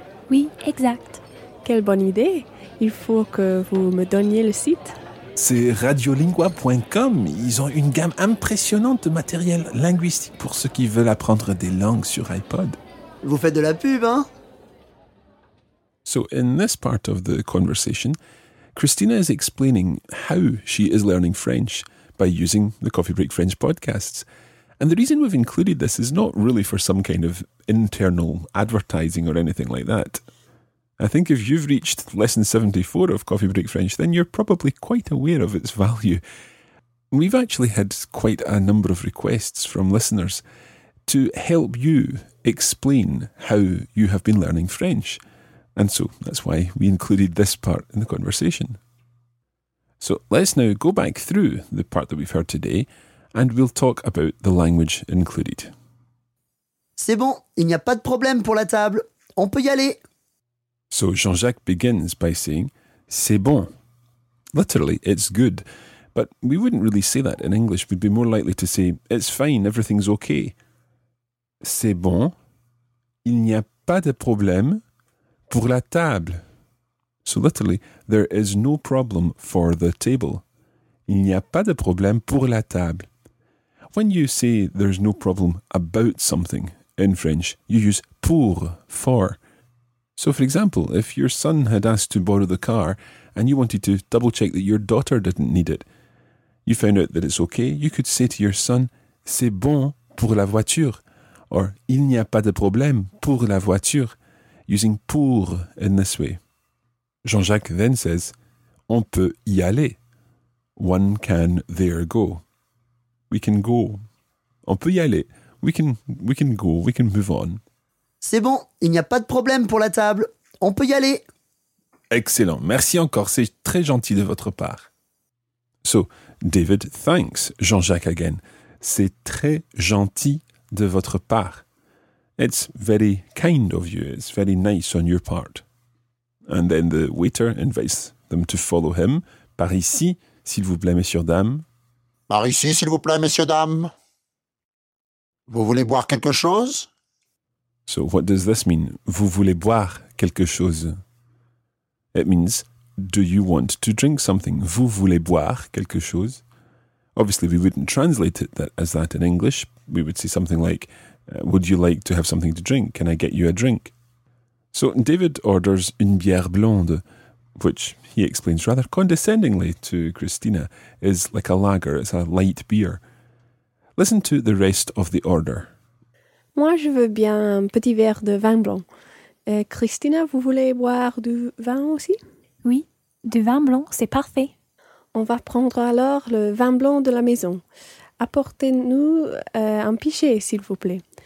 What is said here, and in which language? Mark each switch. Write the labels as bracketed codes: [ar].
[fr] Oui, exact. Quelle bonne idée. Il faut que vous me donniez le site. C'est radiolingua.com. Ils ont une gamme impressionnante de matériel linguistique pour ceux qui veulent apprendre des langues sur iPod. Vous faites de la pub, hein? [en] So in this part of the conversation, Christina is explaining how she is learning French by using the Coffee Break French podcasts. And the reason we've included this is not really for some kind of internal advertising or anything like that. I think if you've reached lesson 74 of Coffee Break French, then you're probably quite aware of its value. We've actually had quite a number of requests from listeners to help you explain how you have been learning French. And so that's why we included this part in the conversation. So let's now go back through the part that we've heard today and we'll talk about the language included. [fr] C'est bon, il n'y a pas de problème pour la table. On peut y aller. [en] So Jean-Jacques begins by saying, [fr] c'est bon. [en] Literally, it's good. But we wouldn't really say that in English. We'd be more likely to say, it's fine, everything's okay. [fr] C'est bon, il n'y a pas de problème. Pour la table. [en] So literally, there is no problem for the table. [fr] Il n'y a pas de problème pour la table. [en] When you say there's no problem about something in French, you use pour, for. So for example, if your son had asked to borrow the car and you wanted to double check that your daughter didn't need it, you found out that it's okay, you could say to your son, [fr] c'est bon pour la voiture. Or, il n'y a pas de problème pour la voiture, [en] using pour in this way. Jean-Jacques then says, [fr] on peut y aller. [en] One can there go. We can go. [fr] On peut y aller. [en] We can go. We can move on. [fr] C'est bon, il n'y a pas de problème pour la table. On peut y aller. Excellent. Merci encore. C'est très gentil de votre part. [en] So, David thanks Jean-Jacques again. [fr] C'est très gentil de votre part. [en] It's very kind of you. It's very nice on your part. And then the waiter invites them to follow him. [fr] Par ici, s'il vous plaît, messieurs, dames. Par ici, s'il vous plaît, messieurs, dames. Vous voulez boire quelque chose? [en] So what does this mean? [fr] Vous voulez boire quelque chose? [en] It means, do you want to drink something? [fr] Vous voulez boire quelque chose? [en] Obviously, we wouldn't translate it as that in English. We would say something like, would you like to have something to drink? Can I get you a drink? So David orders [fr] une bière blonde, [en] which he explains rather condescendingly to Christina, is like a lager, it's a light beer. Listen to the rest of the order. [fr] Moi, je veux bien un petit verre de vin blanc. Et Christina, vous voulez boire du vin aussi? Oui, du vin blanc, c'est parfait. On va prendre alors le vin blanc de la maison. Apportez-nous un pichet, s'il vous plaît.